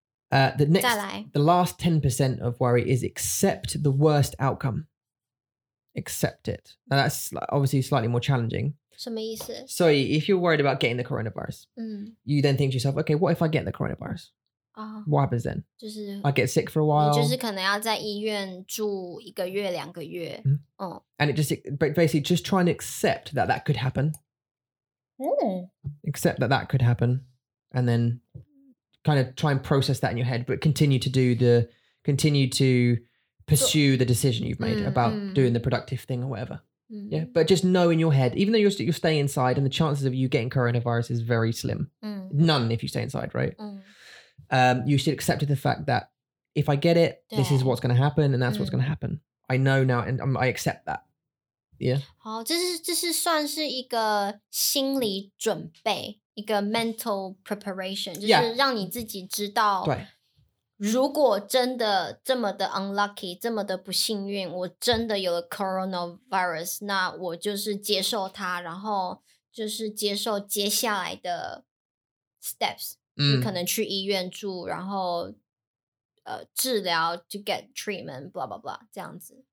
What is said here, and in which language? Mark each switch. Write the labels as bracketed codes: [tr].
[en] The last 10% of worry is accept the worst outcome. Accept it. Now that's obviously slightly more challenging. [zh] 什么意思? [en] So if you're worried about getting the coronavirus, you then think to yourself, okay, what if I get the coronavirus? What happens then? I get sick for a while. [zh] 就是可能要在医院住一个月两个月。 [en] And it basically just try and accept that that could happen. Accept that that could happen. And then kind of try and process that in your head, but continue to pursue the decision you've made about doing the productive thing or whatever. Yeah, but just know in your head, even though you're staying inside and the chances of you getting coronavirus is very slim. None if you stay inside, right? You should accept the fact that if I get it, this is what's going to happen and that's what's going to happen. I know now and I accept that. Yeah. [zh] 好，这是算是一个心理准备。 [en] 一个 mental preparation, yeah. [zh] 就是让你自己知道 如果真的这么的 [en] unlucky, [zh] 这么的不幸运, 我真的有了 coronavirus, 那我就是接受它, 然后就是接受接下来的 steps, 可能去医院住, 然后, 治疗, [en] to get treatment, blah, blah, blah, [zh] 这样子,